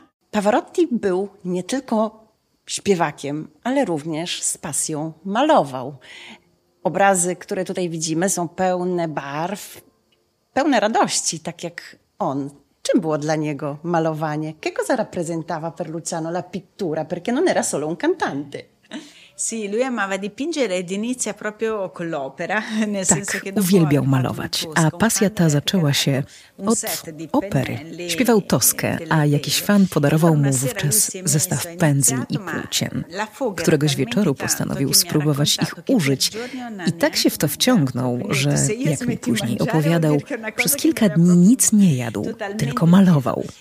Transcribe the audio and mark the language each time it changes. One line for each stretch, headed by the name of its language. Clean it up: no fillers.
Polish: Pavarotti był nie tylko śpiewakiem, ale również z pasją malował. Obrazy, które tutaj widzimy, są pełne barw, pełne radości, tak jak on. Czym było dla niego malowanie?
Italian: Che cosa rappresentava per Luciano la pittura? Perché non era solo un cantante. Sì, lui amava dipingere ed inizia proprio con l'opera.
Polish: Tak, uwielbiał malować, a pasja ta zaczęła się od opery. Śpiewał Toskę, a jakiś fan podarował mu wówczas zestaw pędzli i płócien. Któregoś wieczoru postanowił spróbować ich użyć i tak się w to wciągnął, że, jak mi później opowiadał, przez kilka dni nic nie jadł, tylko malował.